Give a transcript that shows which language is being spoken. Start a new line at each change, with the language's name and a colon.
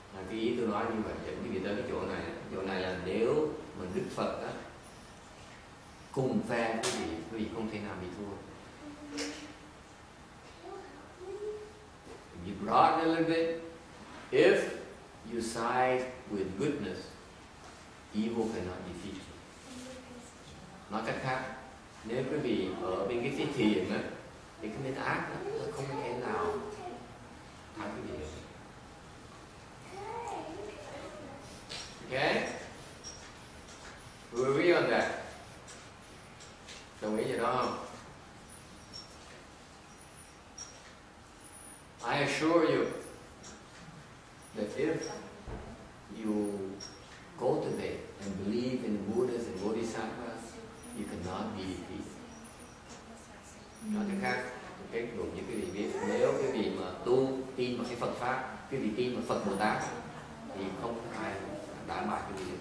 Vietnamese: Cái ý tôi nói như vậy, dẫn quý vị tới cái chỗ này là nếu mà Đức Phật á cùng phe quý vị không thể nào bị thua.
English: You brought a little bit. If you side with goodness, evil cannot defeat you.
Vietnamese: Nói cách khác, nếu quý vị ở bên cái phía thiền á, thì cái bên ác á, nó không thể nào thắng quý vị.
English: Okay? We agree on that.
Vietnamese: Đồng ý gì đó không?
English: I assure you that if you cultivate and believe in Buddhas and Bodhisattvas, you cannot be defeated.
Vietnamese: Nói cách khác, tôi kết luận như quý vị biết, nếu quý vị mà tu tin vào cái Phật Pháp, quý vị tin vào Phật Bồ Tát, thì không có ai đảm bảo cái gì.